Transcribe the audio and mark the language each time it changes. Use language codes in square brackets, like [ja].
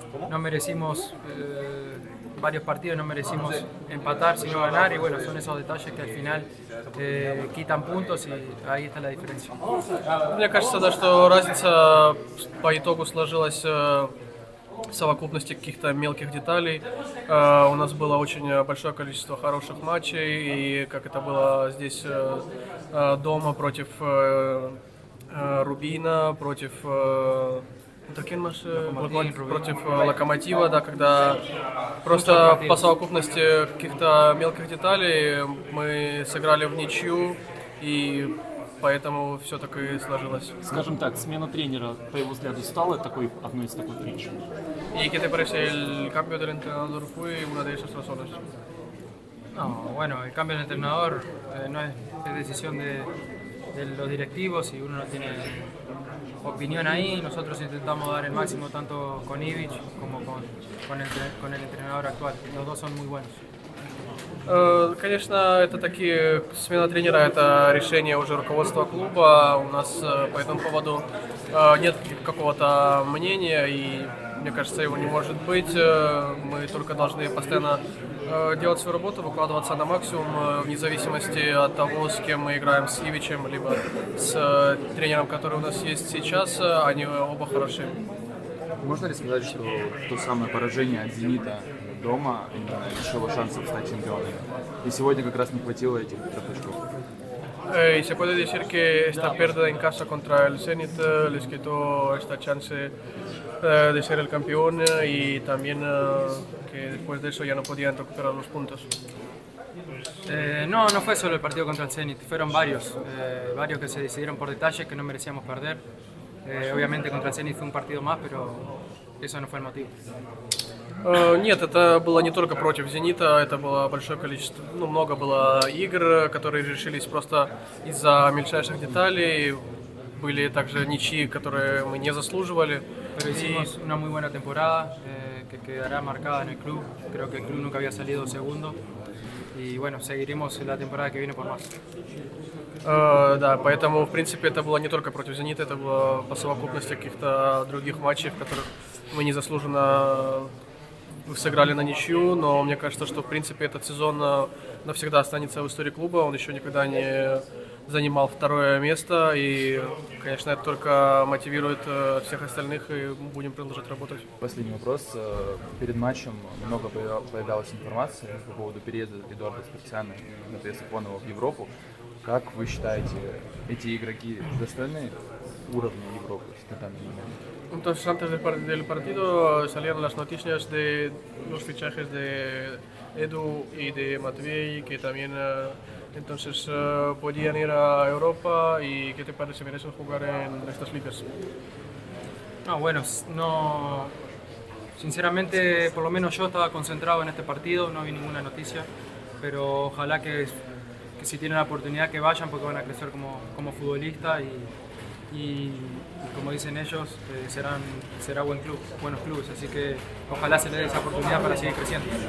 [es] No merecimos varios partidos, no merecimos empatar, sino ganar. Y bueno, son esos detalles que al final quitan puntos y ahí está la diferencia. [ru] Мне кажется, да, что разница по итогу сложилась в совокупности каких-то мелких деталей. У нас было очень большое количество хороших матчей, и как это было здесь дома против Рубина, против против Локомотива, да, когда просто по совокупности каких-то мелких деталей мы сыграли в ничью, и поэтому все так и сложилось. Скажем так, смена тренера, по его взгляду, стала такой одной из такой причин? [es] ¿Y qué te parece el cambio del entrenador? ¿Fue una de esas razones? No, bueno, el cambio del entrenador no es decisión de los directivos, y uno no tiene opinión ahí. Nosotros intentamos dar el máximo tanto con Ivic como con el entrenador actual. Los dos son muy buenos. [ru] Конечно, это такие смена тренера, это решение уже руководства клуба. У нас по этому поводу нет какого-то мнения, и мне кажется, его не может быть. Мы только должны постоянно делать свою работу, выкладываться на максимум, вне зависимости от того, с кем мы играем, с Ивичем, либо с тренером, который у нас есть сейчас, они оба хороши. Можно ли сказать, что то самое поражение от «Зенита» дома лишило шансов стать чемпионом? И сегодня как раз не хватило этих трех очков. [es] Y se puede decir que esta pérdida en casa contra el Zenit les quitó esta chance de ser el campeón, y también que después de eso ya no podían recuperar los puntos. No fue solo el partido contra el Zenit, fueron varios. Varios que se decidieron por detalles que no merecíamos perder. Obviamente contra el Zenit fue un partido más, pero eso no fue el motivo. [ru] Нет, это было не только против «Зенита», это было большое количество, ну, много было игр, которые решились просто из-за мельчайших деталей. Были также ничьи, которые мы не заслуживали. [es] Hicimos una muy buena temporada, que quedará marcada en el club. Creo que el club nunca había salido segundo. Y bueno, seguiremos la temporada que viene por más. [ru] Да, поэтому, в принципе, это было не только против «Зенита», это было по совокупности каких-то других матчей, в которых мы незаслуженно сыграли на ничью, но мне кажется, что в принципе этот сезон навсегда останется в истории клуба. Он еще никогда не занимал второе место, и, конечно, это только мотивирует всех остальных, и будем продолжать работать. Последний вопрос. Перед матчем много появлялось информации по поводу переезда Эдуарда Спартиана и Матвея Сафонова в Европу. Как вы считаете, эти игроки достойны уровня Европы на данный момент? [es] Entonces, antes del partido salieron las noticias de los fichajes de Edu y de Matvei, que también entonces podían ir a Europa. ¿Y qué te parece, merecen jugar en estas ligas? No, bueno, no, sinceramente, por lo menos yo estaba concentrado en este partido, no vi ninguna noticia, pero ojalá que si tienen la oportunidad que vayan, porque van a crecer como futbolista y como dicen ellos, será buen club, buenos clubes, así que ojalá se le dé esa oportunidad para seguir creciendo.